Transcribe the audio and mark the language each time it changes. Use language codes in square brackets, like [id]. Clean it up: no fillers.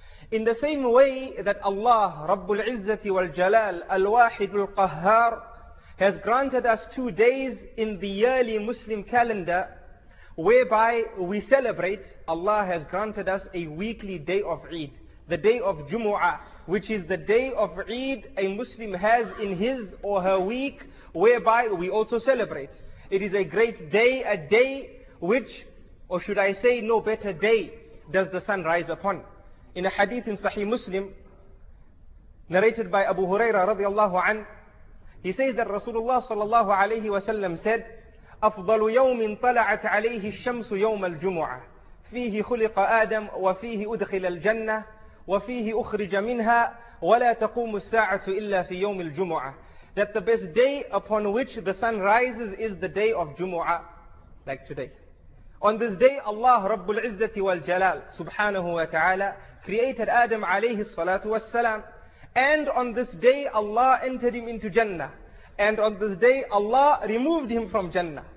[en] In the same way that Allah, Rabbul Izzati wal Jalal, Al-Wahidul Qahhar, has granted us 2 days in the yearly Muslim calendar whereby we celebrate, Allah has granted us a weekly day of Eid, the day of Jumu'ah, which is the day of Eid a Muslim has in his or her week, whereby we also celebrate. It is a great day, a day which, or should I say, no better day does the sun rise upon. In a hadith in Sahih Muslim, narrated by Abu Huraira radiallahu anhu, he says that Rasulullah sallallahu alayhi wa sallam said, [ar] أَفْضَلُ يَوْمٍ طَلَعَتْ عَلَيْهِ الشَّمْسُ يَوْمَ الْجُمُعَةِ فِيهِ خُلِقَ آدَمُ وَفِيهِ أُدْخِلَ الْجَنَّةِ وَفِيهِ أُخْرِجَ مِنْهَا وَلَا تَقُومُ السَّاعَةُ إِلَّا فِي يَوْمِ الْجُمُعَةِ. [en] That the best day upon which the sun rises is the day of Jumu'ah, like today. On this day, Allah Rabbul Izzati wal Jalal subhanahu wa ta'ala created Adam alayhi salatu wa salam. And on this day, Allah entered him into Jannah. And on this day, Allah removed him from Jannah.